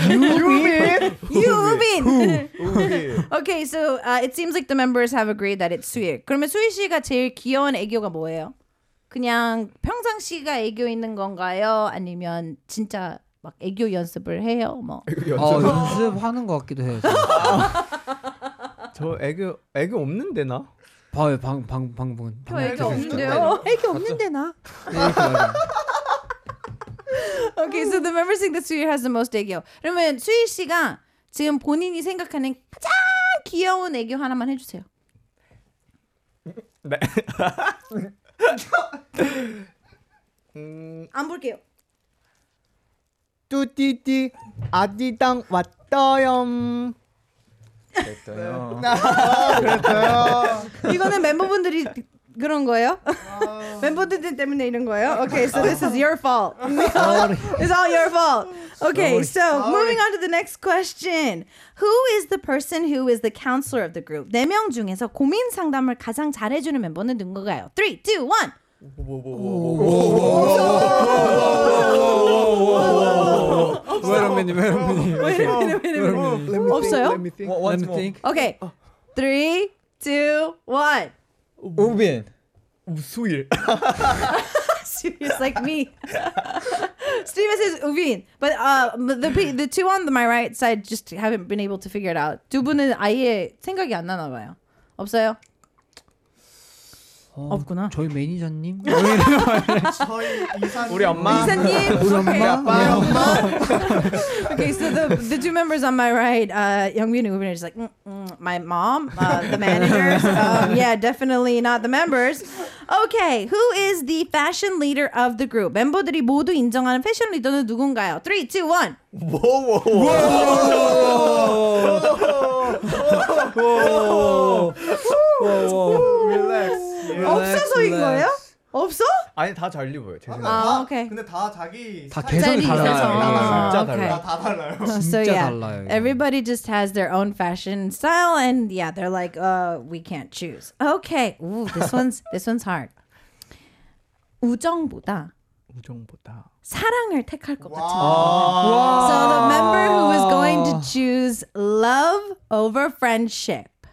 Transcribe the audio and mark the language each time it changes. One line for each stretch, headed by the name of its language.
English: 유빈 Okay, so it seems like the members have agreed that it's 수일.
Korean: 그러면 수일 씨가 제일 귀여운 애교가 뭐예요? 그냥 평상시가 애교 있는 건가요? 아니면 진짜 막 애교 연습을 해요? 뭐 연습하는 것 같기도 해요. 저 애교 없는데 나? 봐요 방금 저 애교 없는데요? 애교 없는데 나?
English: Okay, so the members think that Suir has the most 애교.
Korean: 그러면 수일 씨가 지금 본인이 생각하는 가장 귀여운 애교 하나만 해주세요. 네. 안 볼게요. 뚜띠띠 아디당 왔어요. 그랬어요. 그랬어요. 이거는 멤버분들이 그런 거예요? 멤버들 때문에 이런 거예요?
English: Okay, so this is your fault. It's all your fault. Okay, so moving on to the next question. Who is the person who is the counselor of the group?
Korean: 네 명 중에서 고민 상담을 가장 잘해주는 멤버는 누군가요? 3, 2, 1! 왜 이러면 없어요?
English: Let me think. Okay, 3, 2, 1!
Korean: 우빈 수일
English: Serious like me. Steven says 우빈 but the two on my right side just haven't been able to figure it out.
Korean: 두 분은 아예 생각이 안 나나 봐요. 없어요? 없구나. 저희 매니저님? 저희 이사님? 우리 엄마? 이사님? 우리 엄마? 우리 아빠? 우리 엄마?
English: Okay, so the two members on my right, Youngbin and Ubin are just like, my mom, the managers. Yeah, definitely not the members. Okay, who is the fashion leader of the group?
Korean: 멤버들이 모두 인정하는 패션 리더는 누군가요? 3, 2, 1.
English: Whoa.
Korean: 없어서 인 거예요? 없어? 아니 다 잘 입어요. 제 생각에. 아, 오케이. 근데 다 자기 다 개성이 달라요. 진짜 달라요. 다 달라요. 진짜 달라요.
English: Everybody just has their own fashion style and yeah, they're like, we can't choose. Okay. Ooh, this one's hard.
Korean: 우정보다 사랑을 택할 것 같아요.
English: Wow. So the member who is going to choose love over friendship.